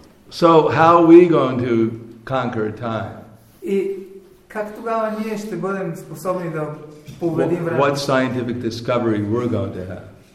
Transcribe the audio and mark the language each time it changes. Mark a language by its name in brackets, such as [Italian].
[English] So, how are we going to conquer time? [Bulgarian] И как тогава ние ще бъдем способни да победим времето? [English] What scientific discovery we're going to have?